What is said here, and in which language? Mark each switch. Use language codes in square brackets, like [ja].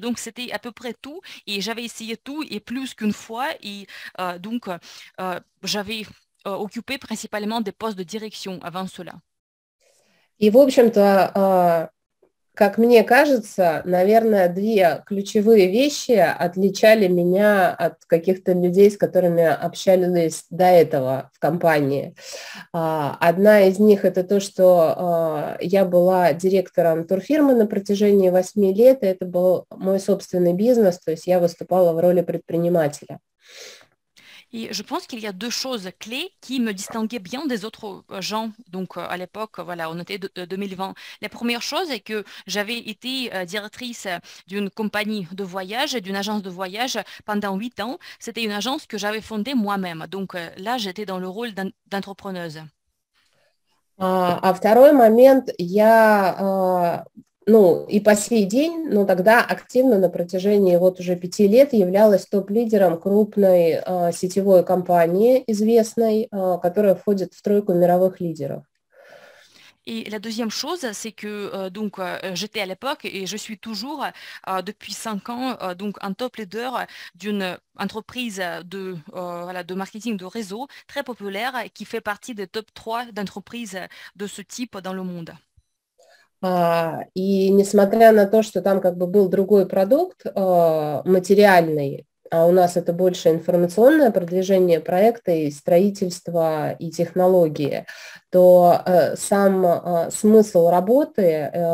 [fr] Donc, c'était à peu près tout et j'avais essayé tout et plus qu'une fois. Et donc, j'avais occupé principalement des postes de direction avant cela. [ru] И, в общем-то, как мне кажется, наверное, две ключевые вещи отличали меня от каких-то людей, с которыми общались до этого в компании. Одна из них — это то, что я была директором турфирмы на протяжении 8 лет, и это был мой собственный бизнес, то есть я выступала в роли предпринимателя. [fr] Et je pense qu'il y a deux choses clés qui me distinguaient bien des autres gens. Donc, à l'époque, voilà, on était 2020. La première chose est que j'avais été directrice d'une compagnie de voyage, d'une agence de voyage pendant 8 ans. C'était une agence que j'avais fondée moi-même. Donc là, j'étais dans le rôle d'entrepreneuse. [ru] А второй момент, я... Ну, и по сей день, но тогда активно на протяжении вот уже 5 лет являлась топ-лидером крупной сетевой компании известной, которая входит в тройку мировых лидеров. И [fr] la deuxième chose, c'est que donc j'étais à l'époque et je suis toujours depuis 5 ans donc un top leader d'une entreprise de voilà de marketing de réseau très populaire qui fait partie des top 3 d'entreprises de ce type dans le monde. [ru] И несмотря на то, что там как бы был другой продукт, материальный, а у нас это больше информационное продвижение проекта и строительство, и технологии, то сам смысл работы,